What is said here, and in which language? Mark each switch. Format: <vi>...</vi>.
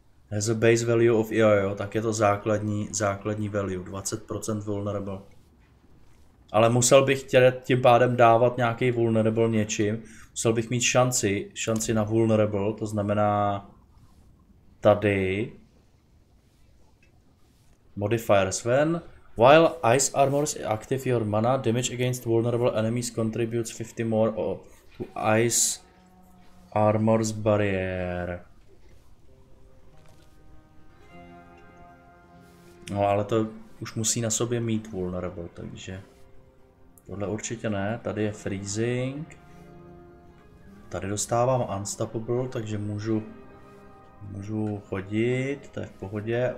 <en>Has a base value of EIO,</en> <cs>tak je to základní</cs> <en>value, 20% vulnerable.</en> <cs>Ale musel bych tím pádem dávat nějaký vulnerable něčím, musel bych mít šanci na vulnerable, to znamená tady.</cs> <en>Modifiers when, while ice armor is active, your mana damage against vulnerable enemies contributes 50 more to ice armor's barrier.</en> <cs>No, ale to už musí na sobě mít vulnerable, takže tohle určitě ne. Tady je freezing. Tady dostávám unstoppable, takže můžu chodit, to je v pohodě.</cs>